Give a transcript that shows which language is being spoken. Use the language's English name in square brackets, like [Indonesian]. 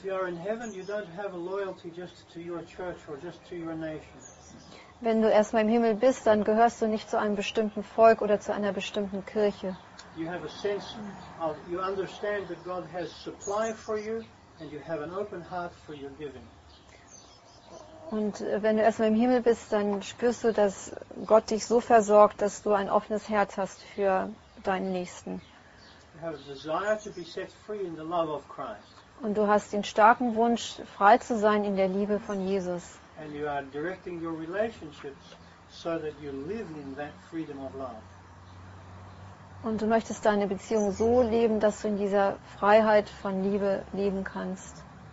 [English] you're in heaven, you don't have a loyalty just to your church or just to your nation. [German] Wenn du erstmal im Himmel bist, dann gehörst du nicht zu einem bestimmten Volk oder zu einer bestimmten Kirche. [English] You have a sense of, you understand that God has supply for you and you have an open heart for your giving. [German] Und wenn du erstmal im Himmel bist, dann spürst du, dass Gott dich so versorgt, dass du ein offenes Herz hast für deinen Nächsten. [English] You have a desire to be set free in the love of Christ. [German] Und du hast den starken Wunsch, frei zu sein in der Liebe von Jesus. [English] And you are directing your relationships so that you live in that freedom of love. [German] Und du möchtest deine Beziehung so leben, dass du in dieser Freiheit von Liebe leben kannst.